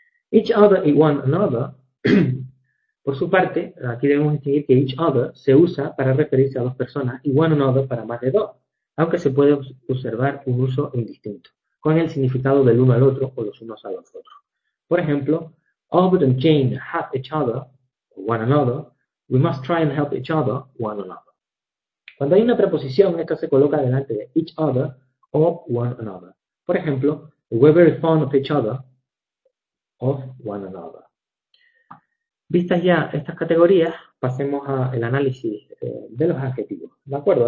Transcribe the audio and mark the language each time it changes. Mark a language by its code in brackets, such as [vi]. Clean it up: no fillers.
[es] Each other y one another, por su parte, aquí debemos distinguir que each other se usa para referirse a dos personas y one another para más de dos, aunque se puede observar un uso indistinto, con el significado del uno al otro o los unos a los otros. Por ejemplo, [en] Albert and Jane have each other, one another, we must try and help each other, one another. [es] Cuando hay una preposición, esta se coloca delante de each other, o one another. Por ejemplo, [en] we're very fond of each other, of one another. [es] Vistas ya estas categorías, pasemos al análisis de los adjetivos. ¿De acuerdo?